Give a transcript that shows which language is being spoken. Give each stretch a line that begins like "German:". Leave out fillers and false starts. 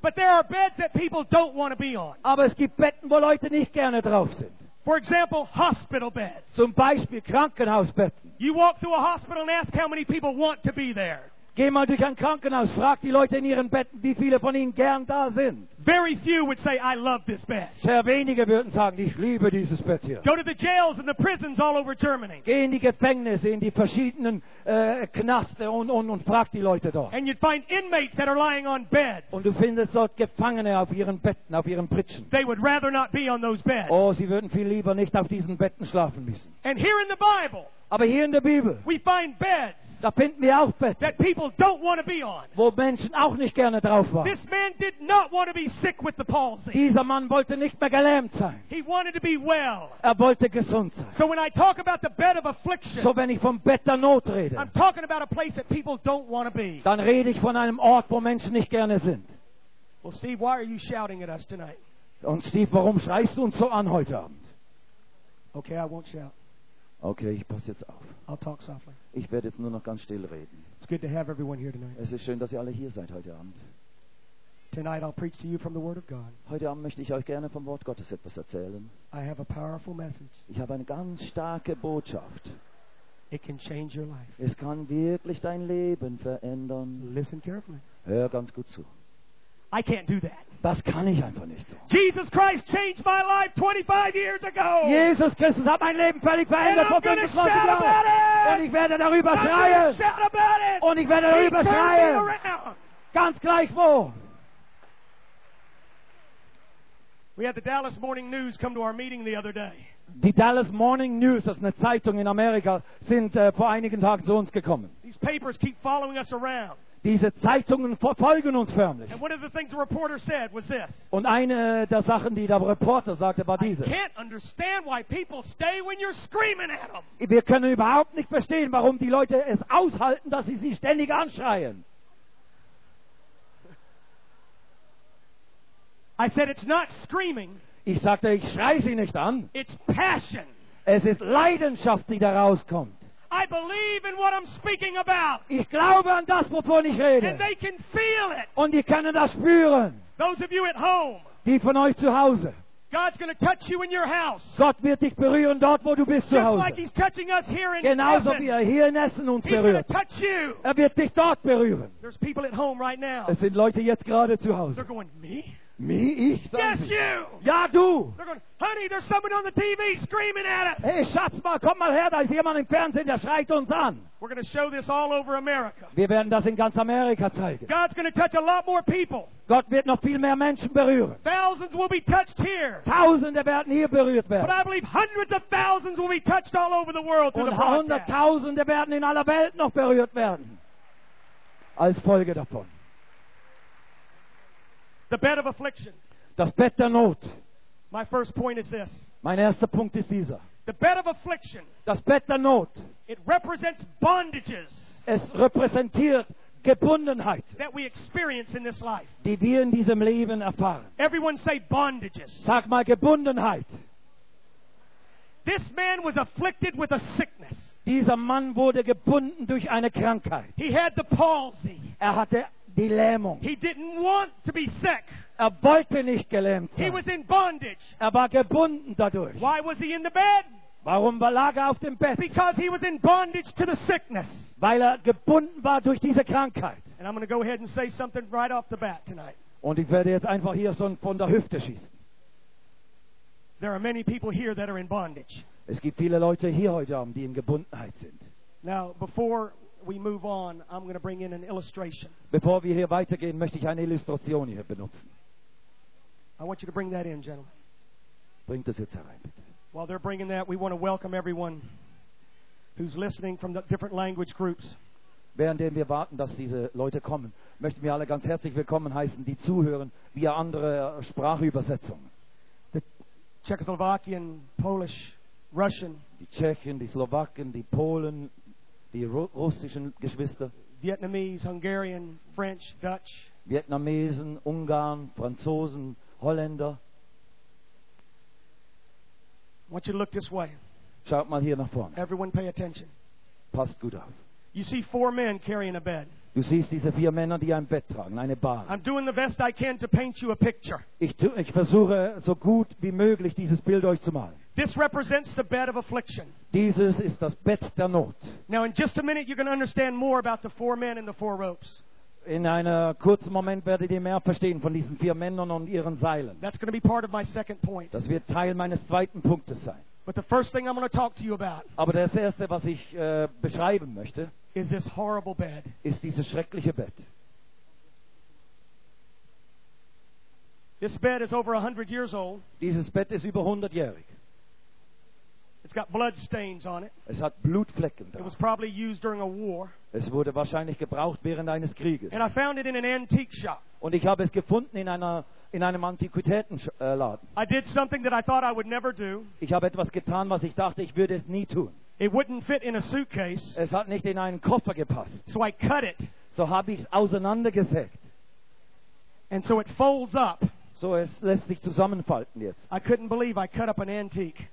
English: But there are beds that people don't want to be on.
German: Aber es gibt Betten, wo Leute nicht gerne drauf sind.
English: For example, hospital beds.
German: Zum Beispiel Krankenhausbetten.
English: You walk through a hospital and ask how many people want to be there.
German: Geh mal durch ein Krankenhaus, frag die Leute in ihren Betten, wie viele von ihnen gern da sind.
English: Very few would say, I love this bed.
German: Sehr wenige würden sagen, ich liebe dieses Bett hier.
English: Go to the jails and the prisons all over Germany.
German: Geh in die Gefängnisse, in die verschiedenen Knaste und frag die Leute dort.
English: And you'd find inmates that are lying on beds.
German: Und du findest dort Gefangene auf ihren Betten, auf ihren Pritschen.
English: They would rather not be on those beds.
German: Oh, sie würden viel lieber nicht auf diesen Betten schlafen müssen.
English: And here in the Bible.
German: Aber hier in der Bibel,
English: we find beds,
German: da finden wir auch Betten,
English: that people don't want to be on.
German: Wo Menschen auch nicht gerne drauf waren.
English: This man did not want to be sick with the palsy.
German: Dieser Mann wollte nicht mehr gelähmt sein.
English: He wanted to be well.
German: Er wollte gesund sein.
English: So when I talk about the bed of affliction,
German: so wenn ich vom Bett der Not rede,
English: I'm talking about a place that people don't want to be.
German: Dann rede ich von einem Ort, wo Menschen nicht gerne sind.
English: Well, Steve, why are you shouting at us tonight?
German: Und Steve, warum schreist du uns so an heute Abend?
English: Okay, I won't shout.
German: Okay, ich passe jetzt auf.
English: I'll talk softly.
German: Ich werde jetzt nur noch ganz still reden.
English: It's good to have everyone here tonight.
German: Es ist schön, dass ihr alle hier seid heute Abend.
English: Tonight I'll preach to you from the Word of God.
German: Heute Abend möchte ich euch gerne vom Wort Gottes etwas erzählen.
English: I have a powerful message.
German: Ich habe eine ganz starke Botschaft.
English: It can change your life.
German: Es kann wirklich dein Leben verändern.
English: Listen carefully.
German: Hör ganz gut zu.
English: I can't do that.
German: Das kann ich einfach nicht so.
English: Jesus Christ changed my life 25 years ago.
German: Jesus Christus hat mein Leben völlig verändert vor 25 Jahren. Und ich werde darüber schreien. Und ich werde darüber schreien. Ganz gleich wo.
English: We had the Dallas Morning News come to our meeting the other day.
German: Die Dallas Morning News, das ist eine Zeitung in Amerika, sind vor einigen Tagen zu uns gekommen.
English: These papers keep following us around.
German: Diese Zeitungen verfolgen uns förmlich.
English: And one of the things the reporter said was this.
German: Und eine der Sachen, die der Reporter sagte, war diese.
English: I can't understand why people stay when you're screaming at them.
German: Wir können überhaupt nicht verstehen, warum die Leute es aushalten, dass sie sie ständig anschreien.
English: I said it's not screaming.
German: Ich sagte, ich schreie sie nicht an.
English: It's passion.
German: Es ist Leidenschaft, die da rauskommt.
English: I believe in what I'm speaking about.
German: Ich glaube an das, wovon ich rede.
English: And they can feel it.
German: Und die können das spüren.
English: Those of you at home.
German: Die von euch zu Hause.
English: God's going to touch you in your house.
German: Gott wird dich berühren dort, wo du bist
English: just
German: zu Hause.
English: Just like He's touching us here in
German: genauso
English: heaven.
German: Genauso wie hier in Essen uns
English: he's
German: berührt.
English: He's going to touch you.
German: Er wird dich dort berühren.
English: There's people at home right now.
German: Es sind Leute jetzt gerade zu Hause.
English: They're going, me? Me?
German: Ich?
English: Yes,
German: sie.
English: You.
German: Ja, du.
English: They're going, honey, there's someone on the TV screaming at us.
German: Hey, Schatz, mal, komm mal her, da ist jemand im Fernsehen, der schreit uns an.
English: We're going to show this all over America.
German: Wir werden das in ganz Amerika zeigen.
English: God's going to touch a lot more people.
German: Gott wird noch viel mehr Menschen berühren.
English: Thousands will be touched here.
German: Tausende werden hier berührt werden.
English: But I believe hundreds of thousands will be touched all over the world through
German: und
English: the broadcast.
German: Und Hunderttausende werden in aller Welt noch berührt werden. Als Folge davon.
English: The bed of affliction.
German: Das Bett der Not.
English: My first point is this.
German: Mein erster Punkt ist dieser.
English: The bed of affliction.
German: Das Bett der Not.
English: It represents bondages.
German: Es repräsentiert Gebundenheit.
English: That we experience in this life.
German: Die wir in diesem Leben erfahren.
English: Everyone say bondages.
German: Sag mal Gebundenheit.
English: This man was afflicted with a sickness.
German: Dieser Mann wurde gebunden durch eine Krankheit.
English: He had the palsy.
German: Er hatte die Lähmung.
English: He didn't want to be sick.
German: Er wollte nicht gelähmt sein.
English: He was in bondage.
German: Er war gebunden dadurch.
English: Why was he in the bed?
German: Warum lag er auf dem Bett?
English: Because he was in bondage to the sickness.
German: Weil er gebunden war durch diese Krankheit.
English: And I'm going to go ahead and say something right off the bat tonight.
German: Und ich werde jetzt einfach hier so von der Hüfte schießen.
English: There are many people here that are in bondage.
German: Es gibt viele Leute hier heute Abend, die in Gebundenheit sind.
English: Now, before we move on, I'm going to bring in an illustration.
German: Bevor wir hier weitergehen, möchte ich eine Illustration hier benutzen.
English: I want you to bring that in, gentlemen.
German: Bringt das jetzt herein, bitte.
English: While they're bringing that, we want to welcome everyone who's listening from the different language groups.
German: Währenddem wir warten, dass diese Leute kommen, möchten wir alle ganz herzlich willkommen heißen, die zuhören via andere Sprachübersetzungen.
English: The Czechoslovakian, Polish, Russian.
German: Die Tschechen, die Slowaken, die Polen, die russischen Geschwister.
English: Vietnamese, Hungarian, French, Dutch.
German: Vietnamesen, Ungarn, Franzosen, Holländer.
English: I want you to look this way.
German: Schaut mal hier nach vorne.
English: Everyone pay attention.
German: Passt gut auf.
English: You see four men carrying a bed.
German: Du siehst diese vier Männer, die ein Bett tragen, eine Bahre.
English: I'm doing the best I can to paint you a picture.
German: Ich versuche so gut wie möglich dieses Bild euch zu malen.
English: This represents the bed of affliction.
German: Dieses ist das Bett der Not.
English: Now in just a minute you're going to understand more about the four men and the four ropes.
German: In einem kurzen Moment werdet ihr mehr verstehen von diesen vier Männern und ihren Seilen.
English: That's going to be part of my second point.
German: Das wird Teil meines zweiten Punktes sein.
English: But the first thing I'm going to talk to you about.
German: Aber das erste, was ich beschreiben möchte,
English: is this horrible bed.
German: Ist dieses schreckliche Bett.
English: This bed is over 100 years old.
German: Dieses Bett ist über 100-jährig.
English: It's got blood stains on it.
German: Es hat Blutflecken drauf.
English: It was probably used during a war.
German: Es wurde wahrscheinlich gebraucht während eines Krieges.
English: And I found it in an antique shop.
German: Und ich habe es gefunden in einem Antiquitätenladen.
English: I did something that I thought I would never do.
German: Ich habe etwas getan, was ich dachte, ich würde es nie tun.
English: It wouldn't fit in a suitcase.
German: Es hat nicht in einen Koffer gepasst.
English: So I cut it.
German: So habe ich es auseinandergesägt.
English: And so it folds up.
German: So es lässt sich zusammenfalten jetzt.
English: I couldn't believe I cut up an antique.